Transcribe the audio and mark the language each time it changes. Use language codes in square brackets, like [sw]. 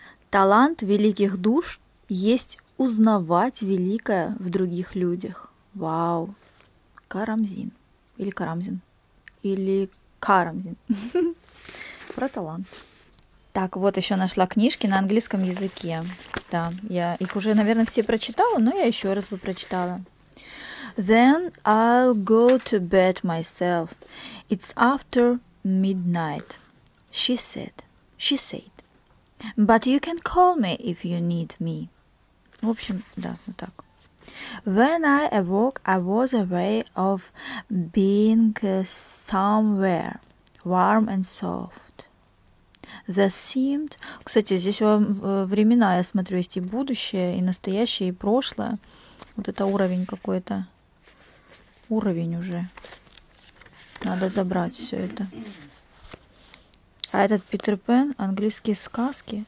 [ru] Талант великих душ есть узнавать великое в других людях. Вау! Карамзин. Или Карамзин. Или Карамзин. Про талант. Так, вот еще нашла книжки на английском языке. Да, я их уже, наверное, все прочитала, но я еще раз бы прочитала. [en] Then I'll go to bed myself. It's after midnight, she said. She said. But you can call me if you need me. [ru] В общем, да, вот так. [en] When I awoke, I was aware of being somewhere warm and soft. There seemed... [ru] Кстати, здесь времена, я смотрю, есть и будущее, и настоящее, и прошлое. Вот это уровень какой-то. Уровень уже. Надо забрать все это. А этот Питер Пен, английские сказки?